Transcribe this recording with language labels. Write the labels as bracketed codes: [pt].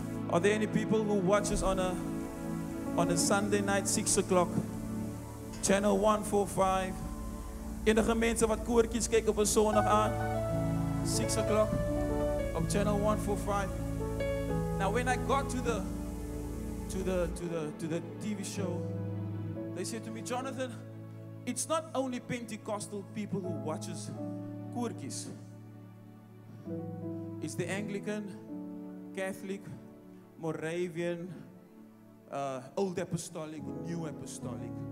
[en] Are there any people who watches on a Sunday night 6:00? Channel 145. [af] Enige mense wat koortjies kyk op 'n Sondag aan? 6:00 op channel 145. [en] Now when I got to the TV show, they said to me, Jonathan, it's not only Pentecostal people who watches koortjies. It's the Anglican, Catholic, Moravian, Old Apostolic, New Apostolic.